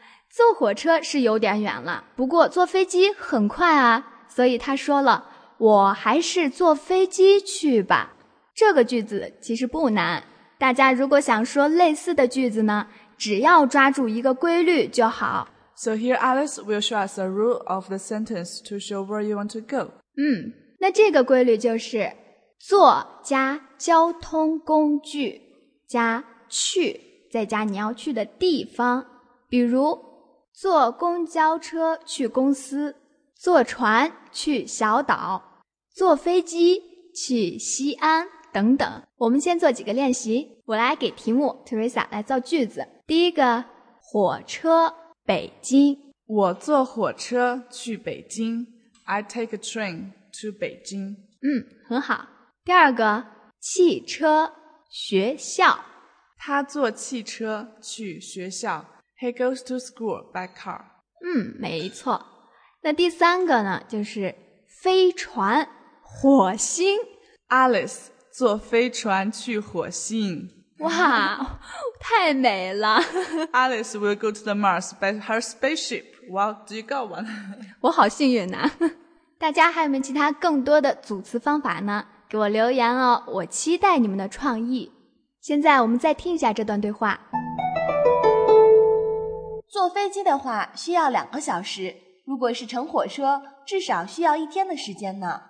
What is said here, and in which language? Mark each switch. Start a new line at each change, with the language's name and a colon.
Chinese: 坐火车是有点远了，不过坐飞机很快啊。所以他说了，我还是坐飞机去吧。这个句子其实不难。大家如果想说类似的句子呢，只要抓住一个规律就好。
English: So here Alice will show us a rule of the sentence to show where you want to go.
Chinese: 那这个规律就是坐加交通工具加去再加你要去的地方。比如坐公交车去公司，坐船去小岛，坐飞机去西安等等。我们先做几个练习，我来给题目， Teresa 来造句子。第一个，火车北京。我坐火车去北京。
English: I take a train to 北京。
Chinese: 嗯，很好。第二个，汽车学校。他坐汽车去学校。
English: He goes to school by car。
Chinese: 嗯，没错。那第三个呢，就是飞船火星。 Alice 坐飞船去火星。哇，太美了。
English: Alice will go to the Mars by her spaceship. Wow, do you got one?
Chinese: 我好幸运呐。大家还有没有其他更多的组词方法呢？给我留言哦，我期待你们的创意。现在我们再听一下这段对话。坐飞机的话需要两个小时，如果是乘火车至少需要一天的时间呢。